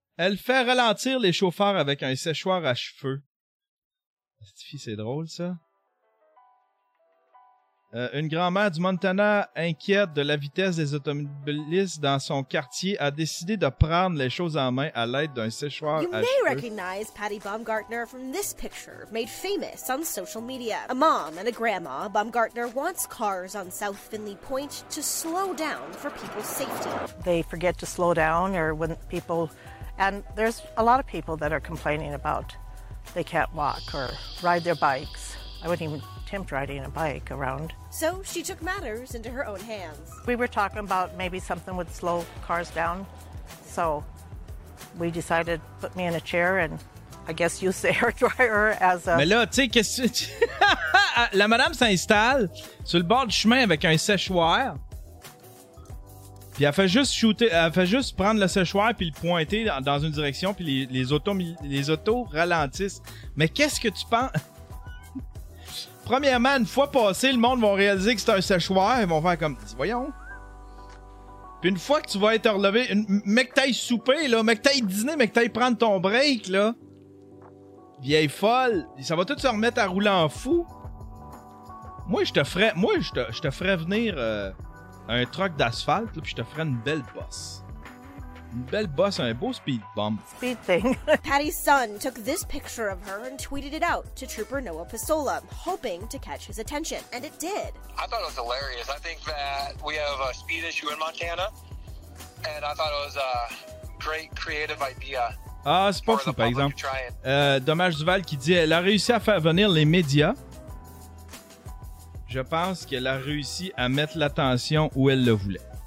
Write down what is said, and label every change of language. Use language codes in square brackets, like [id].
[fr] Elle fait ralentir les chauffeurs avec un séchoir à cheveux. C'est drôle, ça. Une grand-mère du Montana, inquiète de la vitesse des automobilistes dans son quartier, a décidé de prendre les choses en main à l'aide d'un séchoir à cheveux. [en] You may recognize Patty Baumgartner from this picture, made famous on social media. A mom and a grandma, Baumgartner wants cars on South Finley Point to slow down for people's safety. They forget to slow down, or when people... And there's a lot of people that are complaining about they can't walk or ride their bikes. I wouldn't even attempt riding a bike around. So she took matters into her own hands. We were talking about maybe something would slow cars down. So we decided to put me in a chair and I guess use the air dryer as a... [fr] Mais là, tu sais, qu'est-ce que... La madame s'installe sur le bord du chemin avec un séchoir. Puis elle fait juste shooter, elle fait juste prendre le séchoir puis le pointer dans une direction puis les autos ralentissent. Mais qu'est-ce que tu penses? Premièrement, une fois passé, le monde va réaliser que c'est un séchoir et vont faire comme, voyons. Puis une fois que tu vas être relevé, mec, t'ailles souper là, mec, t'ailles dîner, mec, t'ailles prendre ton break là. Vieille folle, ça va tout se remettre à rouler en fou. Moi, je te ferais venir. Un truck d'asphalte, là, puis je te ferai une belle bosse. Une belle bosse, un beau speed bump. [en] Speed thing. Patty's son took this picture of her and tweeted it out to Trooper Noah Pasola, hoping to catch his attention. And it did. I thought it was hilarious. I think that we have a speed issue in Montana. And I thought it was a great creative idea. [fr] Ah, c'est pas fou, par exemple. Dommage Duval qui dit elle a réussi à faire venir les médias. Je pense qu'elle a réussi à mettre l'attention où elle le voulait.